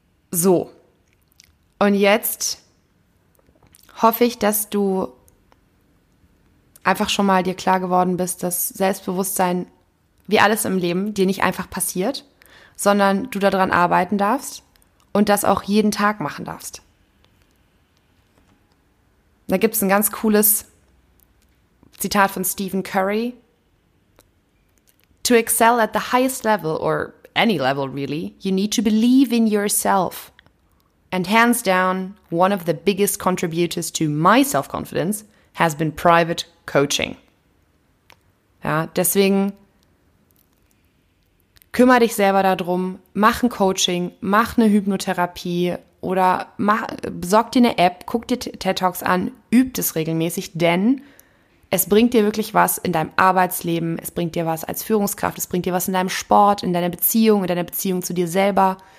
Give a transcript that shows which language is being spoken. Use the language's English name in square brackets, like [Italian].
[German] So, und jetzt hoffe ich, dass du einfach schon mal dir klar geworden bist, dass Selbstbewusstsein, wie alles im Leben, dir nicht einfach passiert, sondern du daran arbeiten darfst und das auch jeden Tag machen darfst. Da gibt es ein ganz cooles Zitat von Stephen Curry. [English] To excel at the highest level, or any level really, you need to believe in yourself. And hands down, one of the biggest contributors to my self-confidence has been private coaching. [German] Ja, deswegen kümmere dich selber darum, mach ein Coaching, mach eine Hypnotherapie oder besorg dir eine App, guck dir TED-Talks an, üb das regelmäßig, denn es bringt dir wirklich was in deinem Arbeitsleben, es bringt dir was als Führungskraft, es bringt dir was in deinem Sport, in deiner Beziehung zu dir selber.